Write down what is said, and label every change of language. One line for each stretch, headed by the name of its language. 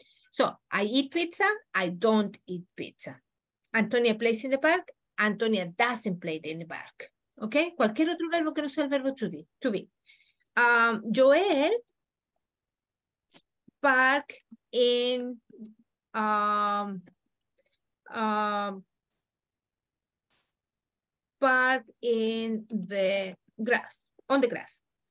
English: So, I eat pizza, I don't eat pizza. Antonia plays in the park, Antonia doesn't play in the park. ¿Ok?
Spanish: Cualquier otro verbo que no sea el verbo to be.
English: Joel park in park in the grass, on the grass.